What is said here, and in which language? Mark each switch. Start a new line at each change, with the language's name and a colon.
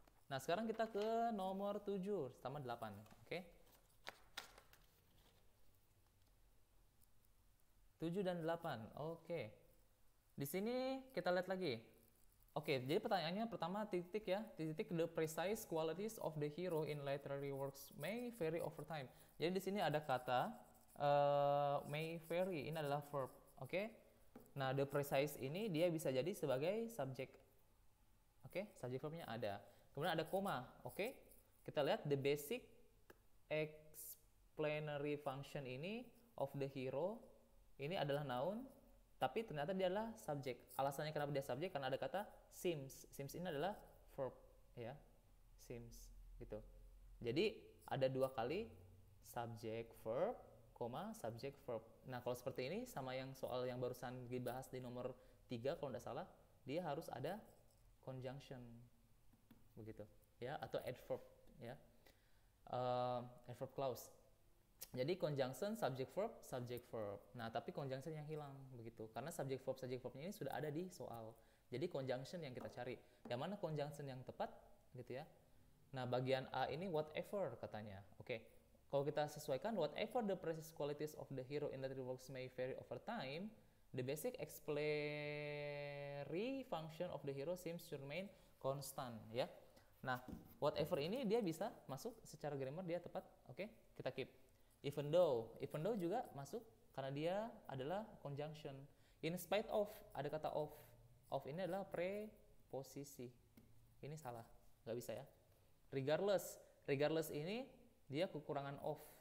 Indonesian: Nah, sekarang kita ke nomor 7 sama 8, oke? 7 dan 8. Oke. Okay. Di sini kita lihat lagi. Oke, jadi pertanyaannya pertama titik ya. Titik,
English: the precise qualities of the hero in literary works may vary over time.
Indonesian: Jadi di sini ada kata may vary, ini adalah verb. Oke. Nah, the precise ini dia bisa jadi sebagai subject. Oke, subject verbnya ada. Kemudian ada koma, oke. Kita lihat the basic explanatory function ini of the hero ini adalah noun. Tapi ternyata dia adalah subjek. Alasannya kenapa dia subjek? Karena ada kata seems. Seems ini adalah verb, ya. Seems, gitu. Jadi ada dua kali subjek verb, koma subjek verb. Nah kalau seperti ini sama yang soal yang barusan dibahas di nomor 3 kalau tidak salah, dia harus ada conjunction, begitu, ya, atau adverb, ya, adverb clause. Jadi conjunction subject verb, subject verb. Nah, tapi conjunction yang hilang begitu. Karena subject verbnya ini sudah ada di soal. Jadi conjunction yang kita cari. Yang mana conjunction yang tepat gitu ya. Nah, bagian A ini whatever katanya. Oke. Okay. Kalau kita sesuaikan
English: whatever the precise qualities of the hero in the works may vary over time, the basic explanatory function of the hero seems to remain constant, ya.
Indonesian: Nah, whatever ini dia bisa masuk secara grammar dia tepat. Oke. Okay. Kita keep. Even though juga masuk karena dia adalah conjunction. In spite of, ada kata of. Of ini adalah preposisi. Ini salah, nggak bisa ya. Regardless, regardless ini dia kekurangan of.